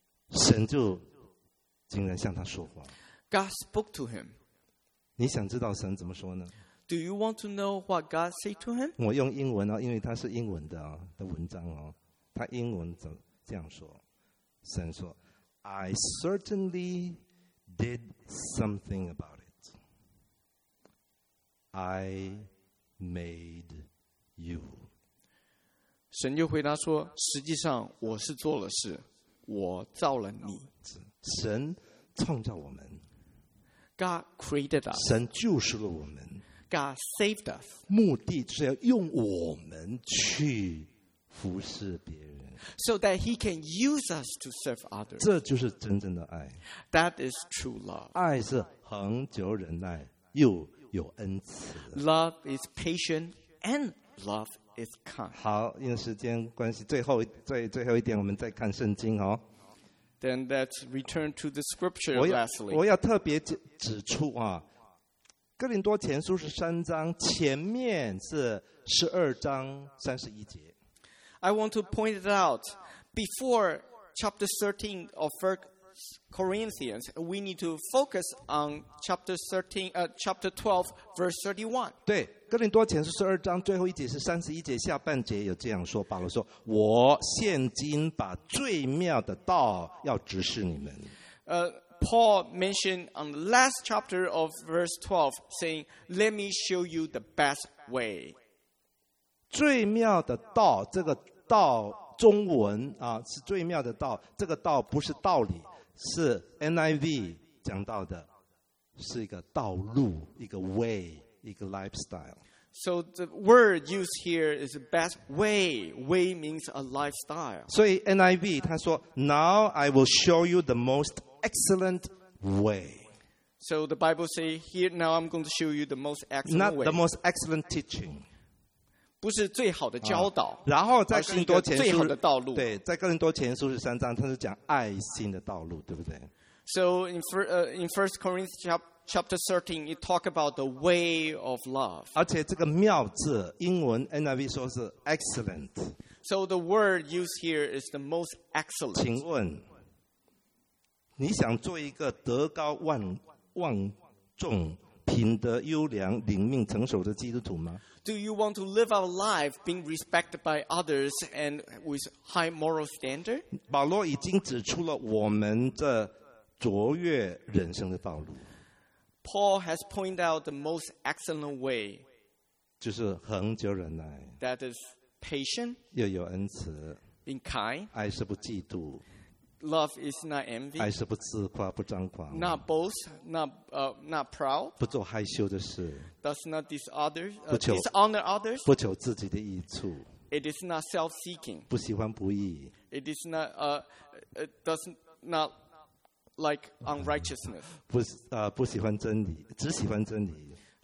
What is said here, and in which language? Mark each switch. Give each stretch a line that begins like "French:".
Chinese: 神就竟然向他说话。
English: God spoke to him.
Chinese: 你想知道神怎么说呢
English: Do you want to know what God said to him?
Chinese: 我用英文哦，因为他是英文的文章哦，他英文这样说，神说
English: I certainly did something about it. I made you.
Chinese: 神就回答说：“实际上我是做了事，我造了你。神创造我们。
English: God created us.
Chinese: 神救赎了我们。
English: God saved us.
Chinese: 目的是要用我们去服侍别人。
English: So that He can use us to serve others.
Chinese: 这就是真正的爱。
English: That is true love.
Chinese: 爱是恒久忍耐又。” 有恩慈。
English: Love is patient and love is kind.
Chinese: 好，因为时间关系，最后一点，我们再看圣经哦。
English: Then let's return to the scripture lastly.
Chinese: 我要特别指出啊，《哥林多前书》是三章，前面是十二章三十一节。
English: I want to point it out. Before chapter 13 of 1 Corinthians, we need to focus on chapter 12, verse 31.
Chinese: 对，哥林多前书十二章最后一节是三十一节下半节有这样说，保罗说：“我现今把最妙的道要指示你们。”
English: Paul mentioned on the last chapter of verse 12, saying, "Let me show you the best way."
Chinese: 最妙的道，这个道中文啊是最妙的道，这个道不是道理，是 NIV 讲到的，是一个道路，一个 way, 一个 lifestyle.
English: So the word used here is the best way. Way means a lifestyle.
Chinese: 所以 NIV 他说
English: ，Now I will show you the most excellent way. So the Bible say here, now I'm going to show you the most excellent way. Not the most excellent teaching.
Chinese: 不是最好的教导，啊、然后在更多前书最好的道路。对，在更多前书是三章，他是讲爱心的道路，对不对
English: ？So in First Corinthians chapter 13, it talk about the way of love.
Chinese: 而且这个妙字，英文 NIV 说是 excellent.
English: So the word used here is the most excellent.
Chinese: 请问。你想做一个德高望重、品德优良、灵命成熟的基督徒吗
English: ？Do you want to live a life being respected by others and with high moral standard？
Chinese: 保罗已经指出了我们这卓越人生的道路。
English: Paul has pointed out the most excellent way，
Chinese: 就是恒久忍耐。
English: That is patient，
Chinese: 又有恩慈。
English: Being kind，
Chinese: 爱是不嫉妒。
English: Love is not envy.
Chinese: 爱是不自夸，不张狂。
English: Not boast, not proud.
Chinese: 不做害羞的事。
English: Does not dishonor,
Chinese: 不求
English: dishonor others.
Chinese: 不求自己的益处。
English: It is not self-seeking.
Chinese: 不喜欢不义。
English: It is not, does not like unrighteousness.
Chinese: 不喜欢真理，只喜欢真理。